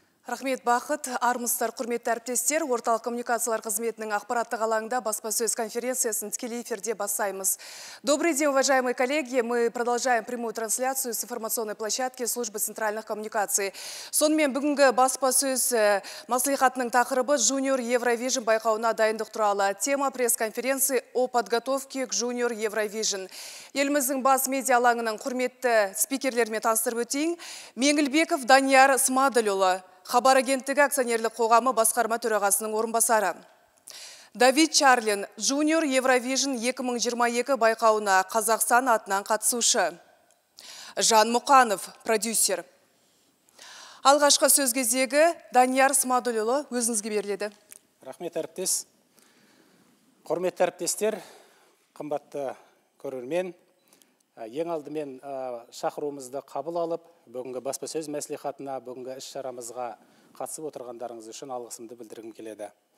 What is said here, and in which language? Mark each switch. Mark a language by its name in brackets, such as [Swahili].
[Kazakh] Рахмет, бақыт, армысыздар, құрметті әріптестер. Орталық коммуникациялар қызметінің ақпараттық алаңында баспасөз конференциясын тікелей эфирде бастаймыз. [Russian] Добрый день, уважаемые коллеги. Мы продолжаем прямую трансляцию с информационной площадки службы центральных коммуникаций. [Kazakh] Сонымен бүгінгі баспасөз мәслихатының тақырыбы «Junior Eurovision» байқауына дайындық туралы. [Russian] Тема пресс-конференции о подготовке к «Junior Eurovision». [Kazakh] Еліміздің бас медиа алаңының құрметті спикерлерімен таныстырып өтейін. Меңілбеков Данияр Смадылұлы. Хабар агенттігі акционерлік қоғамы басқарма төрағасының орынбасары. Давид Чарлин, Junior Eurovision 2022 байқауына Қазақстан атынан қатысушы. Жан Мұқанов, продюсер. Алғашқа сөз кезегі Данияр Смадылұлы өзіңізге беріледі. Рахмет, әріптес. Құрметті әріптестер, қымбатты көрермен. Ең алдымен шақыруымызды қабыл алып, бүгінгі баспасөз мәслихатына, бүгінгі іс-шарамызға қатысып отырғандарыңыз үшін алғысымды білдіргім келеді.